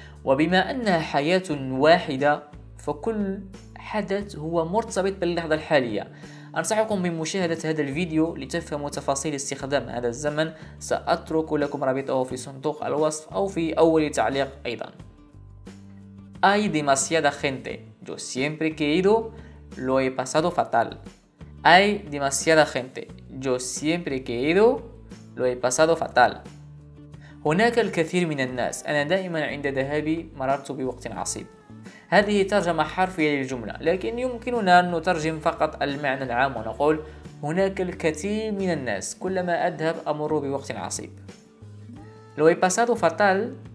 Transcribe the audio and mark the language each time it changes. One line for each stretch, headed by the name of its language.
Arabic: وبما أنها حياة واحدة فكل حدث هو مرتبط باللحظة الحالية أنصحكم بمشاهدة هذا الفيديو لتفهموا تفاصيل استخدام هذا الزمن سأترك لكم رابطه في صندوق الوصف أو في أول تعليق أيضا
Spanish: Hay demasiada gente Yo siempre que he ido lo he pasado fatal Hay demasiada gente. Yo siempre que he ido lo he pasado fatal.
Arabic: هناك الكثير من الناس. أنا دائما عند ذهابي مررت بوقت عصيب. هذه ترجمة حرفية للجملة. لكن يمكننا أن نترجم فقط المعنى العام ونقول هناك الكثير من الناس. كلما أذهب أمر بوقت عصيب.
Spanish: Lo he pasado fatal.